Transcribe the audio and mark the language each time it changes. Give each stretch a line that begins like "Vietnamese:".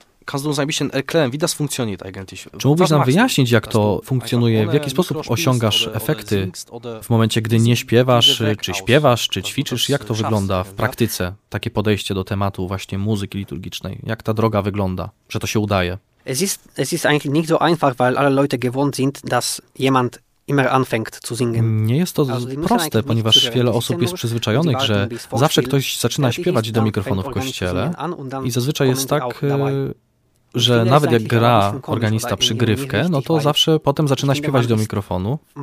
Polish: Każdą zajebiście erklären, widać funkcjonuje ta agentisch. Czy mógłbyś nam wyjaśnić, jak to funkcjonuje, w jaki sposób osiągasz efekty w momencie, gdy nie śpiewasz, czy śpiewasz, czy ćwiczysz? Jak to wygląda w praktyce, takie podejście do tematu właśnie muzyki liturgicznej? Jak ta droga wygląda, że to się udaje?
German: Es ist eigentlich nicht so einfach, weil alle Leute gewohnt sind, dass jemand immer anfängt zu singen.
Polish: Nie jest to proste, ponieważ wiele osób jest przyzwyczajonych, że zawsze ktoś zaczyna śpiewać do mikrofonu w kościele i zazwyczaj jest tak, że nawet jak gra organista przygrywkę, no to zawsze potem zaczyna śpiewać do mikrofonu.